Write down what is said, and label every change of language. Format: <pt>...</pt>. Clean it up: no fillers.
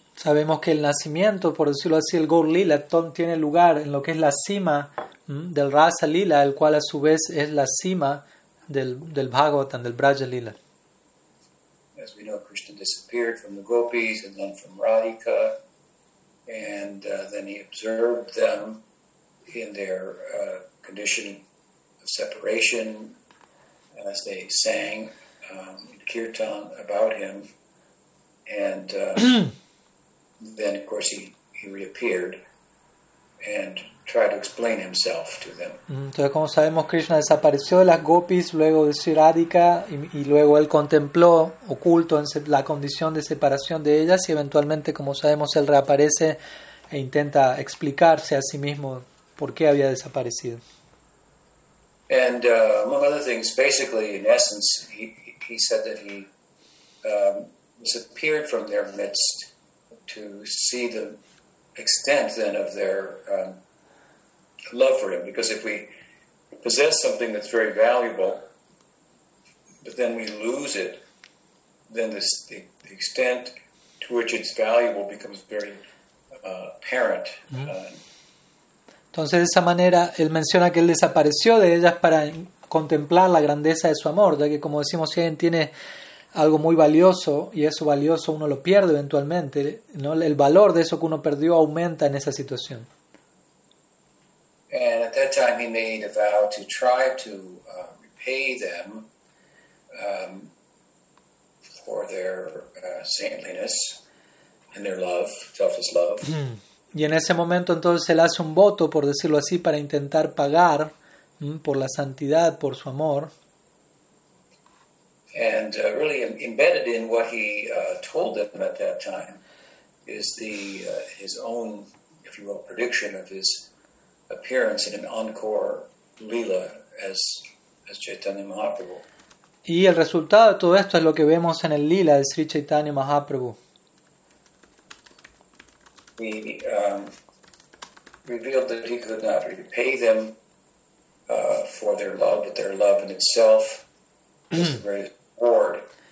<es>Sabemos que el nacimiento, por decirlo así, el Gaur lila, tiene lugar en lo que es la cima del Rasa-lila, el cual a su vez es la cima del Bhagavatam, del Braja-lila.</es> <en>As we know, Krishna disappeared from the gopis and then from Radhika, and then he observed them in their condition of separation as they sang kirtan about him, and then of course he reappeared and tried to explain himself to them.</en> <es>Entonces, como sabemos, Krishna desapareció de las gopis luego de Sri Radhika, y luego él contempló oculto en la condición de separación de ellas, y eventualmente, como sabemos, él reaparece e intenta explicarse a sí mismo por qué había desaparecido.</es> <en>And among other things, basically in essence, he said that he disappeared from their midst to see the extent then of their love for him. Because if we possess something that's very valuable, but then we lose it, then the extent to which it's valuable becomes very apparent.</en> <es>Entonces, de esa manera, él menciona que él desapareció de ellas para contemplar la grandeza de su amor, ya que, como decimos, si alguien tiene algo muy valioso, y eso valioso uno lo pierde eventualmente, ¿no? El valor de eso que uno perdió aumenta en esa situación.</es> <en>And at that time, he made a vow to try to repay them for their saintliness and their love, selfless love.</en> <es>Y en ese momento, entonces, él hace un voto, por decirlo así, para intentar pagar por la santidad, por su amor.</es> <en>And really embedded in what he told them at that time is the his own, if you will, prediction of his appearance in an encore lila as Chaitanya Mahaprabhu.</en> <es>Y el resultado de todo esto es lo que vemos en el lila de Sri Chaitanya Mahaprabhu.</es> <en>He revealed that he could not repay them for their love, but their love in itself is the greatest reward.</en>